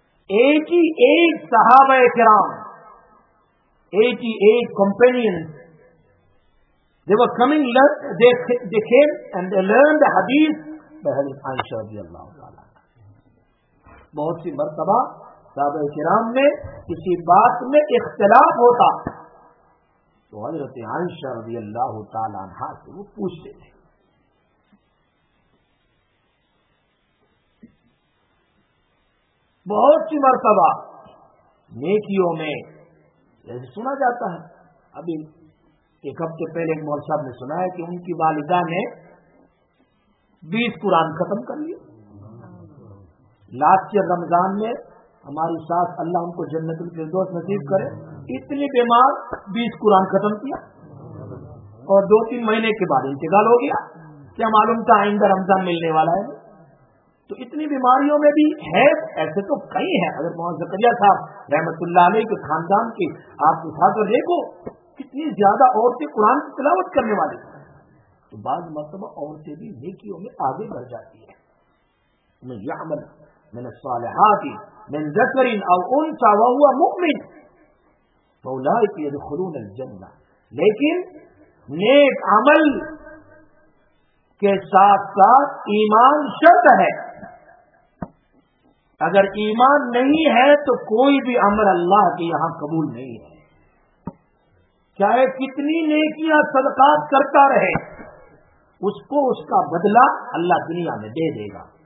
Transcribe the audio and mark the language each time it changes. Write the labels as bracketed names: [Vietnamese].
[English] Eighty eight صحابہ کرام, 88 companions, they were coming, they came and they learned the hadith by Hazrat Aisha رضی اللہ تعالی. [Urdu] بہت سی مرتبہ صحابہ کرام میں کسی بات میں اختلاف ہوتا تو حضرت عائشہ رضی اللہ تعالی عنہا سے وہ پوچھتے تھے. بہت سی مرتبہ نیکیوں میں جیسے سنا جاتا ہے, ابھی ایک ہفتے پہلے ایک مولوی صاحب نے سنایا کہ ان کی والدہ نے 20 قرآن ختم کر لیے. لاسٹ ایئر رمضان میں ہماری ساس, اللہ ان کو جنت الفردوس نصیب کرے, اتنی بیمار, 20 قرآن ختم کیا اور 2-3 مہینے کے بعد انتقال ہو گیا. کیا معلوم تھا آئندہ رمضان ملنے والا ہے؟ تو اتنی بیماریوں میں بھی ہے, ایسے تو کئی ہیں. حضرت محمد زکریا صاحب رحمت اللہ علیہ کے خاندان کے آپ کے ساتھ اور دیکھو کتنی زیادہ عورتیں قرآن کی تلاوت کرنے والی ہیں. تو بعض مرتبہ عورتیں بھی نیکیوں میں آگے بڑھ جاتی ہیں. [Arabic] من یعمل من الصالحات من ذکر او انثى وهو مؤمن فاولئك يدخلون الجنہ. [Urdu] لیکن نیک عمل کے ساتھ ساتھ ایمان شرط ہے. اگر ایمان نہیں ہے تو کوئی بھی امر اللہ کے یہاں قبول نہیں ہے. چاہے کتنی نیکیاں صدقات کرتا رہے, اس کو اس کا بدلہ اللہ دنیا میں دے دے گا.